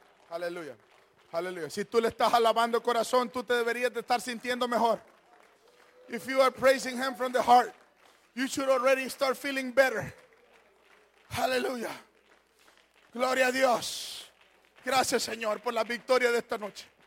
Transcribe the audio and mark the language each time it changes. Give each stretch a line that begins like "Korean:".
Spanish: Aleluya, aleluya. Si tú le estás alabando corazón, tú te deberías de estar sintiendo mejor.
English: If you are praising him from the heart, you should already start feeling better.
Spanish: Aleluya. Gloria a Dios. Gracias, Señor, por la victoria de esta noche.